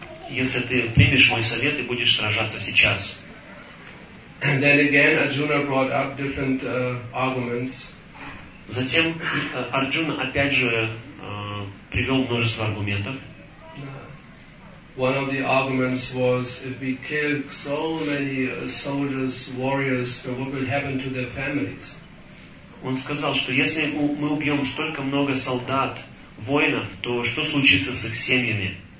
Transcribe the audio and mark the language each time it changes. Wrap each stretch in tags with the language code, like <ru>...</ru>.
<ru>Если ты примешь мой совет и будешь сражаться сейчас. Затем Арджуна опять же привел множество аргументов.</ru> <en>One of the arguments was, if we kill so many soldiers, warriors, what will happen to their families?</en> <ru>Он сказал, что если мы убьем столько много солдат, воинов, то что случится с их семьями?</ru>